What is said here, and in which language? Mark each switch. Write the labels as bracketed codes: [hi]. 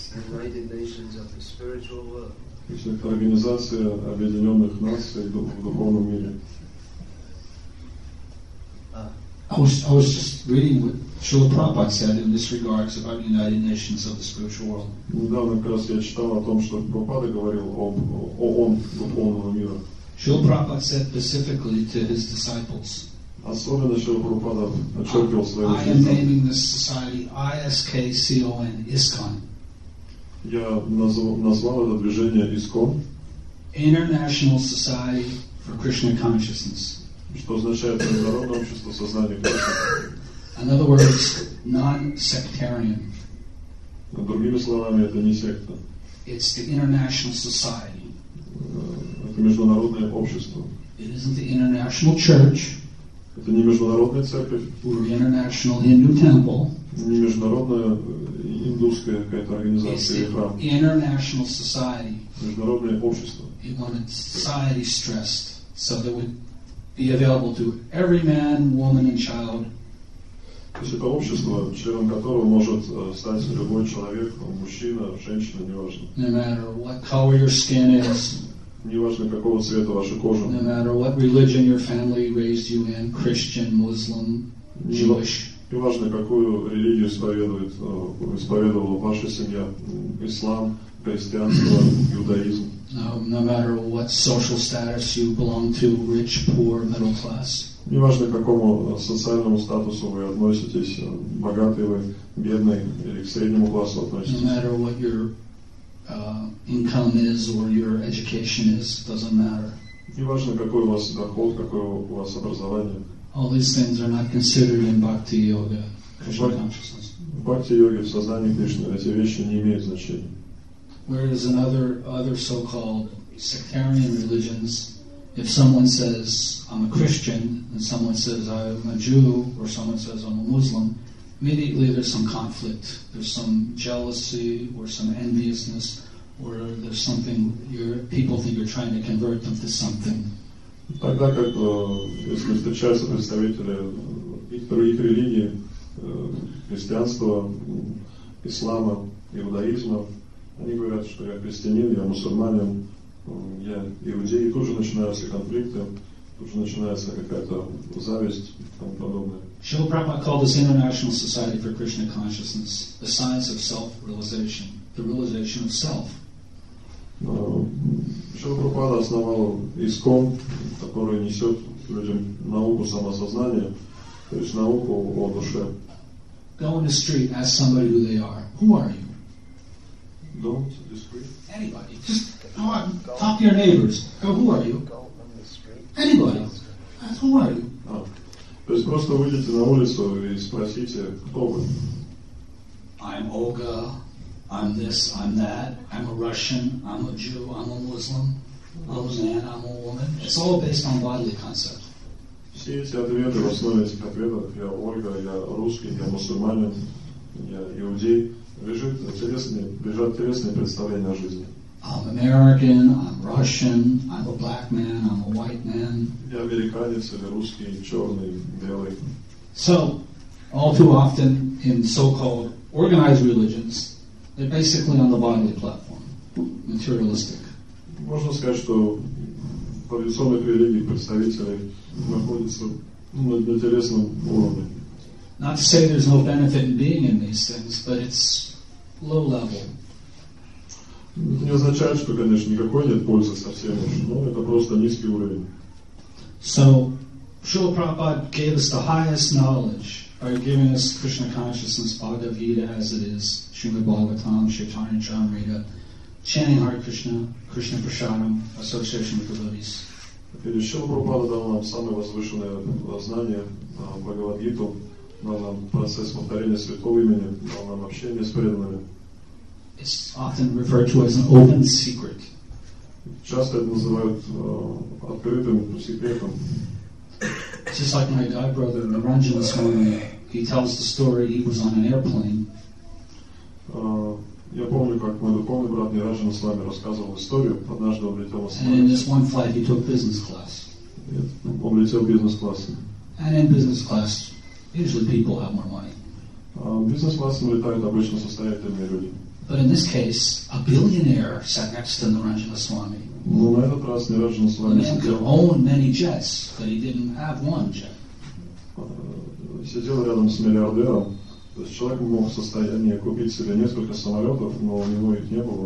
[en] United Nations of the spiritual world. [ru] То есть это организация объединенных наций в духовном мире. [en] I was just reading what Srila Prabhupada said in this regards about the United Nations of the spiritual world. [ru] Недавно как раз я читал о том, что Прабхупада говорил об ООН духовного мира. [en] Srila Prabhupada said specifically to his disciples. [ru] Особенно Srila Prabhupada подчеркивал своим ученикам. [en] I am naming this society ISKCON, ISKCON. [ru] Я назвал это движение ИСКОН. [en] International Society for Krishna Consciousness. [ru] Что означает международное общество сознания Кришны? [en] In other words, non-sectarian. [ru] Другими словами, это не секта. [en] It's the International Society. [ru] Это международное общество. [en] It isn't the International Church. [ru] Это не международная церковь. [en] Or International Hindu Temple. [ru] Не международная индусская какая-то организация или храм. [en] International society. [ru] Международное общество. [en] It wanted society stressed so that it would be available to every man, woman and child. [ru] То есть это общество, членом которого может стать любой человек, мужчина, женщина, неважно. [en] No matter what color your skin is. [ru] Неважно, какого цвета ваша кожа. [en] No matter what religion your family raised you in, Christian, Muslim, Jewish. [ru] Неважно, какую религию исповедовала ваша семья, ислам, христианство, иудаизм. [en] No matter what social status you belong to, rich, poor, middle class. [ru] Неважно, к какому социальному статусу вы относитесь, богатый вы, бедный или к среднему классу относитесь. [en] No matter what your income is or your education is, doesn't matter. [ru] Неважно, какой у вас доход, какое у вас образование. [en] All these things are not considered in Bhakti Yoga, Krishna consciousness. [ru] В бхакти-йоге, в сознании Кришны, эти вещи не имеют значения. [en] Whereas in other so-called sectarian religions, if someone says I'm a Christian and someone says I'm a Jew or someone says I'm a Muslim, immediately there's some conflict, there's some jealousy or some enviousness, or there's something people think you're trying to convert them to something. [ru] Тогда как если встречаются представители других религий, христианства, ислама, иудаизма, они говорят, что я христианин, я мусульманин, я иудей, тут же начинаются конфликты, тут же начинается какая-то зависть и тому подобное. [en] Шрила Прабхупада called this International Society for Krishna Consciousness the science of self-realization, the realization of self. [ru] Шрила Прабхупада основал ИСККОН, который несет людям науку самосознания, то есть науку о душе. [en] Go on the street, ask somebody who they are. Who are you? Don't discreet. Anybody. Talk to your neighbors. Go, who are you? Anybody. Who are you? [ru] То есть просто выйдите на улицу и спросите, кто вы? [en] I'm Olga. I'm this, I'm that. I'm a Russian. I'm a Jew. I'm a Muslim. I'm a man. I'm a woman. It's all based on bodily concept. [ru] Все эти ответы в основе этих ответов, я Ольга, я русский, я мусульманин, я иудей, лежат телесные представления о жизни. [en] I'm American, I'm Russian, I'm a black man, I'm a white man. [ru] Я американец или русский, черный, белый. [en] So, all too often in so-called organized religions, they're basically on the bodily platform, materialistic. [ru] Можно сказать, что традиционных религий представителей находится на интересном уровне. [en] Not to say there's no benefit in being in these things, but it's low level. [ru] Это не означает, что, конечно, никакой нет пользы совсем уж, но это просто низкий уровень. [en] So, Srila Prabhupada gave us the highest knowledge by giving us Krishna consciousness, Bhagavad Gita as it is, Srimad Bhagavatam, Chaitanya Charitamrita, chanting Hare Krishna, Krishna Prasadam, association with devotees. [ru] Шрила Прабхупада дал нам самое возвышенное знание, Бхагавад-гиту, дал нам процесс повторения святого имени, дал нам общение с преданными. [en] It's often referred to as an open secret. [ru] Часто это называют открытым секретом. [en] Just like my god brother Naranjan Swami, he tells the story he was on an airplane. [ru] Я помню, как мой духовный брат Ниранджан с вами рассказывал историю. Однажды он летел в самолете. [en] And in this one flight he took business class. [ru] Он летел в бизнес-классе. [en] And in business class, usually people have more money. [ru] В бизнес-классе летают обычно состоятельные люди. [en] But in this case, a billionaire sat next to Ниранджан Свами. [ru] Но на этот раз Ниранджан с вами. [en] The man could own many jets, but he didn't have one jet. [ru] Сидел рядом с миллиардером. То есть человек мог в состоянии купить себе несколько самолетов, но у него их не было.